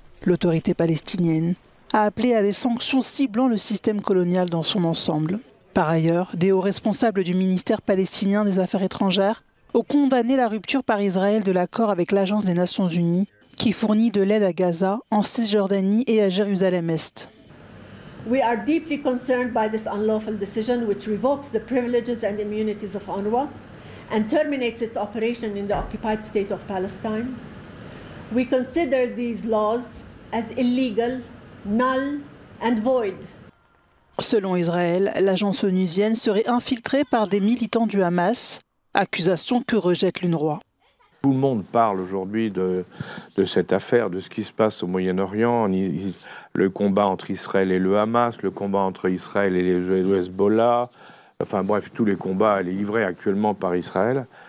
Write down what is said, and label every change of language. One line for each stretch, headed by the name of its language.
French: L'autorité palestinienne a appelé à des sanctions ciblant le système colonial dans son ensemble. Par ailleurs, des hauts responsables du ministère palestinien des Affaires étrangères ont condamné la rupture par Israël de l'accord avec l'Agence des Nations Unies qui fournit de l'aide à Gaza, en Cisjordanie et à Jérusalem-Est.
English: We are deeply concerned by this unlawful decision which revokes the privileges and immunities of UNRWA and terminates its operation in the occupied state of Palestine. We consider these laws as illegal, null and void.
French: Selon Israël, l'agence onusienne serait infiltrée par des militants du Hamas. Accusation que rejette l'UNRWA. Tout le monde parle aujourd'hui de cette affaire, de ce qui se passe au Moyen-Orient, le combat entre Israël et le Hamas, le combat entre Israël et les Hezbollah, enfin bref, tous les combats livrés actuellement par Israël.